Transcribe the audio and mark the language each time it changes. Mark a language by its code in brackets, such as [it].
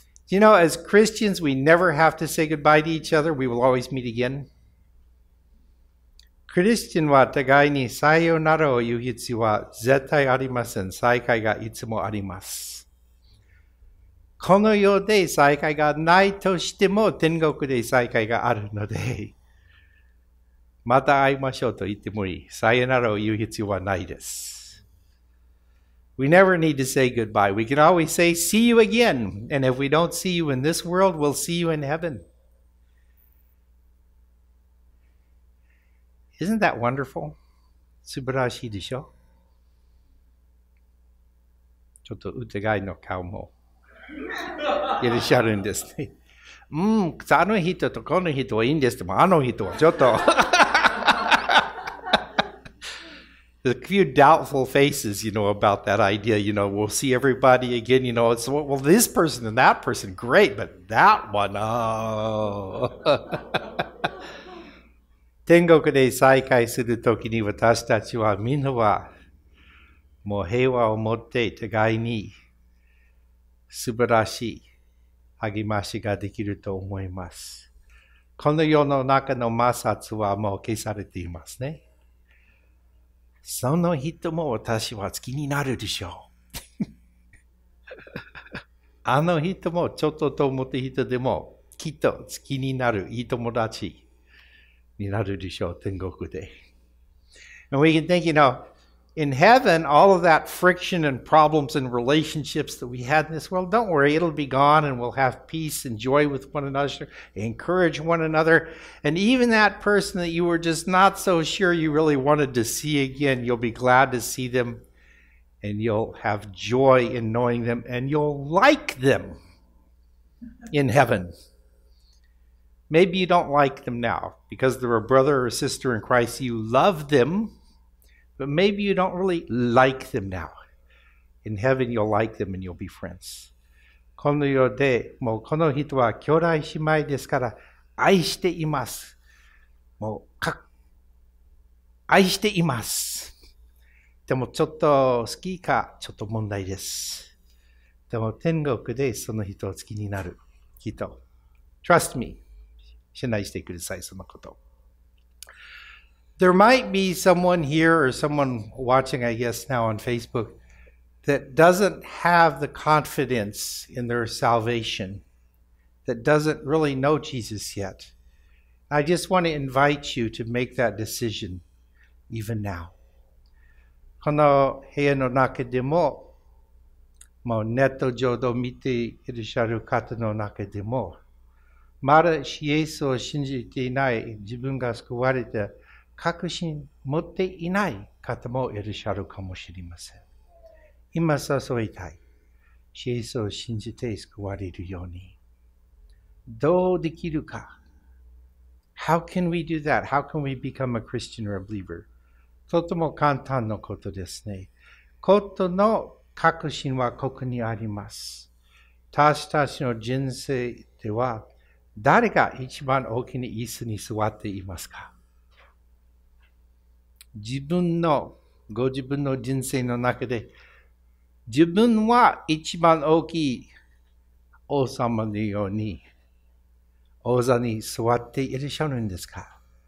[en] You know, as Christians, we never have to say goodbye to each other. We will always meet again. [ja] クリスチャンは互いにさよならを言う必要は絶対ありません。再会がいつもあります。この世で再会がないとしても、天国で再会があるので、また会いましょうと言ってもいい。さよならを言う必要はないです。 [en] We never need to say goodbye. We can always say, see you again. And if we don't see you in this world, we'll see you in heaven. Isn't that wonderful? [ja] 素晴らしいでしょ? ちょっと疑いの顔もいらっしゃるんですね。あの人とこの人はいいんですけども、あの人はちょっと。 [en] A few doubtful faces, you know, about that idea. You know, we'll see everybody again. You know, it's well, this person and that person, great, but that one, oh. [ja] 天国で再会するときに私たちはみんなはもう平和を持って互いに素晴らしい励ましができると思います。この世の中の摩擦はもう消されていますね。その人も私は好きになるでしょう。あの人もちょっとと思った人でもきっと好きになるいい友達になるでしょう、天国で。 [en] And we can think, you know, in heaven, all of that friction and problems and relationships that we had in this world, don't worry, it'll be gone and we'll have peace and joy with one another, encourage one another. And even that person that you were just not so sure you really wanted to see again, you'll be glad to see them and you'll have joy in knowing them and you'll like them in heaven. Maybe you don't like them now because they're a brother or a sister in Christ. You love them. But maybe you don't really like them now. In heaven, you'll like them and you'll be friends. [ja] この世でもうこの人は兄弟姉妹ですから愛しています。もうか愛しています。でもちょっと好きかちょっと問題です。でも天国でその人を好きになる人。 [en] Trust me. [ja] 信頼してください、そのこと。 [en] There might be someone here or someone watching, I guess, now on Facebook that doesn't have the confidence in their salvation, that doesn't really know Jesus yet. I just want to invite you to make that decision even now. [ja] この部屋の中でも、もうネット上で見ていらっしゃる方の中でも、まだイエスを信じていない自分が救われて、確信持っていない方もいらっしゃるかもしれません。今誘いたい。イエスを信じて救われるように。どうできるか。 [en] How can we do that? How can we become a Christian or a believer? [ja] とても簡単なことですね。ことの確信はここにあります。私たちの人生では、誰が一番大きな椅子に座っていますか？自分の、ご自分の人生の中で、自分は一番大きい王様のように、王座に座っていらっしゃるんですか？